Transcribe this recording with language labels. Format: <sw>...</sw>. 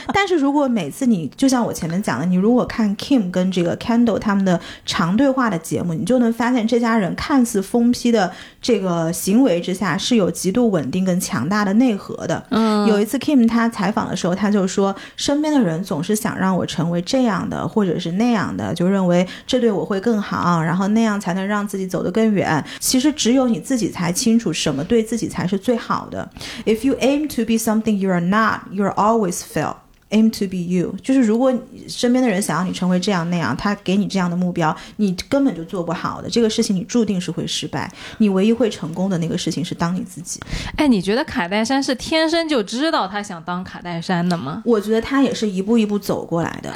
<zh>但是如果每次你就像我前面讲的，你如果看 Kim 跟这个 Kendall 他们的长对话的节目，你就能发现这家人看似疯批的这个行为之下是有极度稳定跟强大的内核的。嗯，有一次 Kim 他采访的时候，他就说身边的人总是想让我成为这样的或者是那样的，就认为这对我会更好，然后那样才能让自己走得更远。其实只有你自己才清楚什么对自己才是最好的。</zh> <en>If you aim to be something you are not, you are always fail. Aim to be you.</en> <zh>就是如果身边的人想要你成为这样那样，他给你这样的目标，你根本就做不好的，这个事情你注定是会失败。你唯一会成功的那个事情是当你自己。哎，你觉得卡戴珊是天生就知道他想当卡戴珊的吗？我觉得他也是一步一步走过来的。</zh>